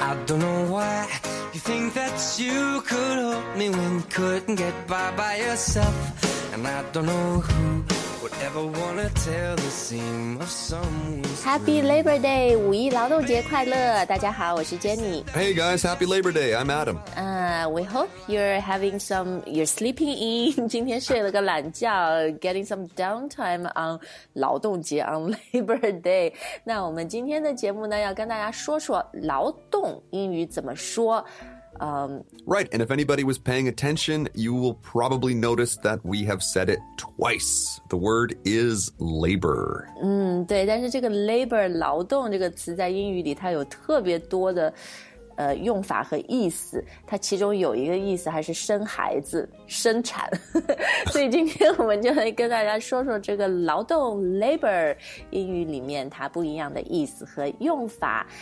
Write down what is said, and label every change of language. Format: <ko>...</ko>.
<en>don't know why you think that you could help me when you couldn't get by yourself. And I don't know who would ever want to tell the same of someone's. Happy Labor Day,</en> <zh>五一劳动节快乐。大家好，我是 Jenny。</zh> <en>Hey guys, Happy Labor Day, I'm Adam. We hope you're sleeping in.</en> <zh>今天睡了个懒觉，</zh> <en>getting some downtime on 劳动节 on Labor Day.</en> <zh>那我们今天的节目呢，要跟大家说说劳动英语怎么说。</zh> <en>Right, and if anybody was paying attention, you will probably notice that we have said it twice. The word is labor.</en> <zh>对，但是这个 labor, 劳动这个词在英语里它有特别多的用法和意思，它其中有一个意思还是生孩子、生产。所以今天我们就来跟大家说说这个劳动 labor 英语里面它不一样的意思和用法。</zh>